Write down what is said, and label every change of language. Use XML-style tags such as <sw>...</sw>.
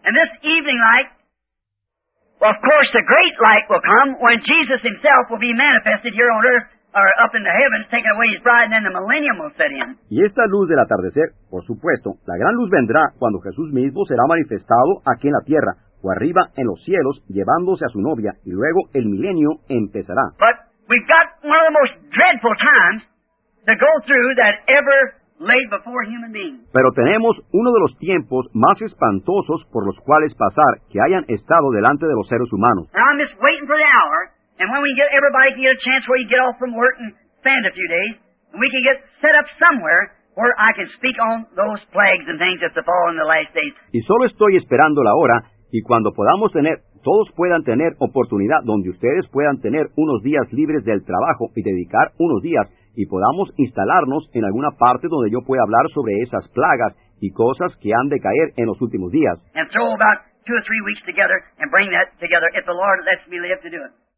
<en>And this evening light, well, of course, the great light will come when Jesus himself will be manifested here on earth or up in the heavens, taking away his bride, and then the millennium will set in.</en> <es>Y esta luz del atardecer, por supuesto, la gran luz vendrá cuando Jesús mismo será manifestado aquí en la tierra, o arriba en los cielos, llevándose a su novia, y luego el milenio empezará.</es> <en>But we've got one of the most dreadful times to go through that ever laid before human beings.</en> <es>Pero tenemos uno de los tiempos más espantosos por los cuales pasar que hayan estado delante de los seres humanos.</es> <en>And I'm just waiting for the hour, and when we get everybody can get a chance where you get off from work and spend a few days, and we can get set up somewhere where I can speak on those plagues and things that have fallen in the last days.</en> <es>Y solo estoy esperando la hora. Y cuando podamos tener, todos puedan tener oportunidad donde ustedes puedan tener unos días libres del trabajo y dedicar unos días y podamos instalarnos en alguna parte donde yo pueda hablar sobre esas plagas y cosas que han de caer en los últimos días.</es> <en>And throw about two or three weeks together and bring that together if the Lord lets me live to do it.</en>